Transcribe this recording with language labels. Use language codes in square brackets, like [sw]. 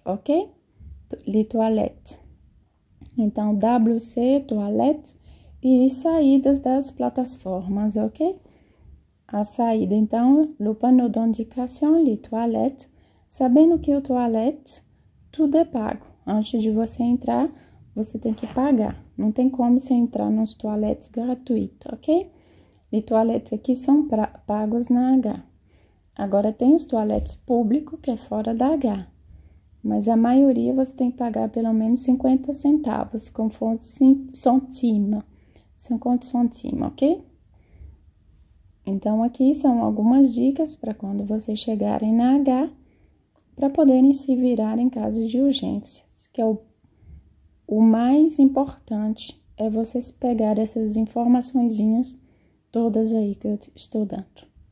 [fr] Ok, les toilettes. Donc WC, toilette, et ça y est des plateformes. Ok. À ça, donc, le panneau d'indication, les toilettes, [pt] sabendo que [fr] les toilettes, tout est pago. [pt] Antes de você entrar, você tem que pagar. Não tem como você entrar nos toilettes gratuitos, ok? [fr] Les toilettes qui sont pagos na H. [pt] Agora, tem os toilettes públicos, que é fora da H. Mas a maioria você tem que pagar pelo menos 50 centavos, conforme centimes. 50 centimes, ok? Então, aqui são algumas dicas para quando vocês chegarem na H, para poderem se virar em caso de urgências, que é o mais importante, é vocês pegarem essas informaçõezinhas todas aí que eu estou dando.